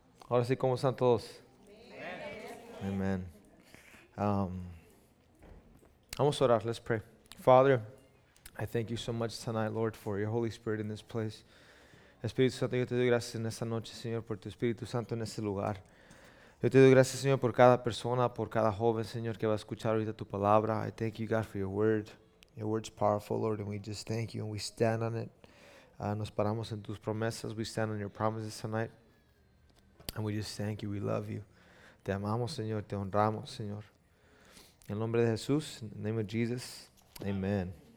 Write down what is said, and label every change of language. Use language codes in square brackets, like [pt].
[es] Ahora sí, ¿cómo están todos? Amen. Vamos a orar, [en] let's pray. Father, I thank you so much tonight, Lord, for your Holy Spirit in this place. [es] Espíritu Santo, yo te doy gracias en esta noche, Señor, por tu Espíritu Santo en este lugar. Yo te doy gracias, Señor, por cada persona, por cada joven, Señor, que va a escuchar ahorita tu palabra. [en] I thank you, God, for your word. Your word's powerful, Lord, and we just thank you and we stand on it. [es] Nos paramos en tus promesas. [en] We stand on your promises tonight. And we just thank you. We love you. [es] Te amamos, Señor. Te honramos, Señor. En el nombre de Jesús, [en] in the name of Jesus, [es] amen.